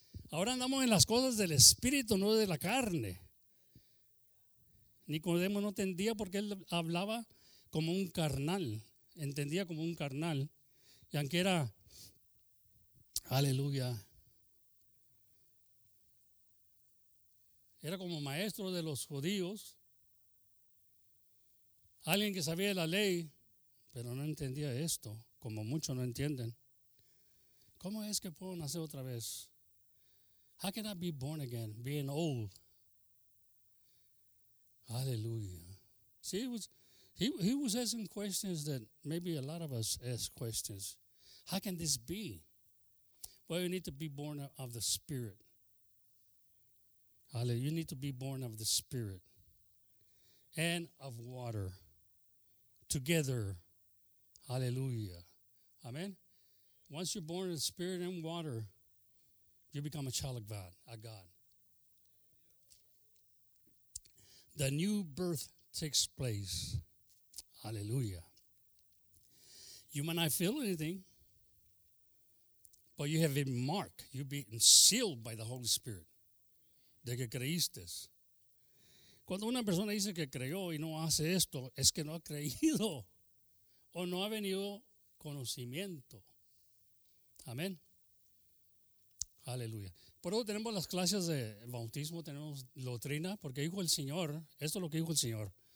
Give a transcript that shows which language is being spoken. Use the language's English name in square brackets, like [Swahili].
[Spanish] Ahora andamos en las cosas del espíritu, no de la carne. Nicodemo no entendía porque él hablaba como un carnal, entendía como un carnal, y aunque era, aleluya, era como maestro de los judíos, Alguien que sabía la ley, pero no entendía esto, como muchos no entienden. ¿Cómo es que puedo nacer otra vez? [English] How can I be born again, being old? Aleluya. See, he was asking questions that maybe a lot of us ask questions. How can this be? Well, you need to be born of the Spirit. Hallelujah. You need to be born of the Spirit and of water together. Hallelujah. Amen. Once you're born of the Spirit and water, you become a child of God, a God. The new birth takes place. Hallelujah. You might not feel anything, but you have been marked. You've been sealed by the Holy Spirit. [Spanish] De que creíste. Cuando una persona dice que creyó y no hace esto, es que no ha creído o no ha venido conocimiento. Amén. Aleluya. Por eso tenemos las clases de bautismo, tenemos doctrina, porque dijo el Señor, esto es lo que dijo el Señor.